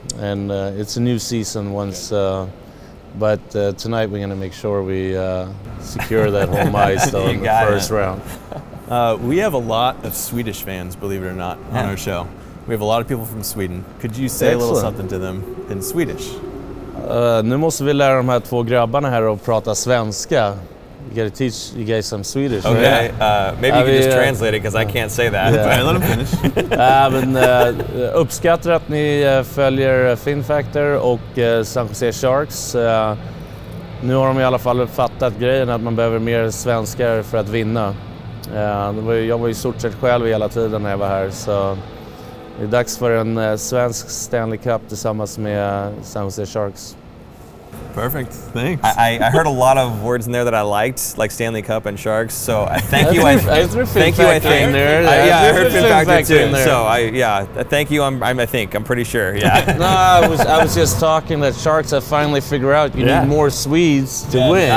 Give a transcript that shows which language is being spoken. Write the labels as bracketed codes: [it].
[en] And it's a new season once, but tonight we're going to make sure we secure that home ice though in the first round. We have a lot of Swedish fans, believe it or not, on our show. We have a lot of people from Sweden. Could you say a little something to them in Swedish? [sv] Nu måste vi lära de här två grabbarna här att prata svenska. [en] You gotta teach you guys some Swedish. Okay, right? Maybe you can just translate it because I can't say that. Yeah. But let him finish. [sv] uppskattar att ni följer Finn Factor och San Jose Sharks. Nu har de i alla fall uppfattat grejen att man behöver mer svenskar för att vinna. Jag var ju stort sett själv hela tiden när jag var här, så det är dags för en svensk Stanley Cup tillsammans med San Jose Sharks. [en] Perfect. Thanks. I heard a lot of words in there that I liked, like Stanley Cup and Sharks. So thank you. I'm pretty sure. Yeah. No, I was just talking that Sharks have finally figured out you need more Swedes to win.